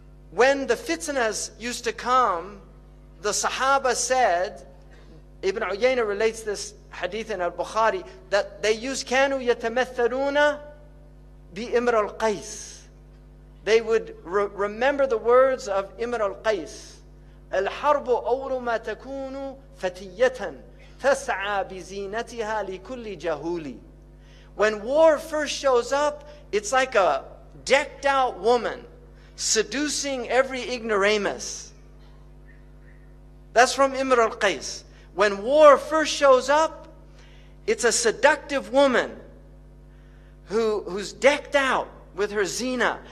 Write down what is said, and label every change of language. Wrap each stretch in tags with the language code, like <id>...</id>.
<en>When the fitnas used to come, the Sahaba said, Ibn Uyayna relates this hadith in al-Bukhari, that they used kanu yatamathaluna bi Imr al-Qais. They would remember the words of Imr al-Qais.</en> <ar>الحرب أول ما تكون فتية تسعى بزينتها لكل جهول.</ar> <en>When war first shows up, it's like a decked out woman seducing every ignoramus. That's from Imr al-Qais. When war first shows up, it's a seductive woman who's decked out with her zina.</en>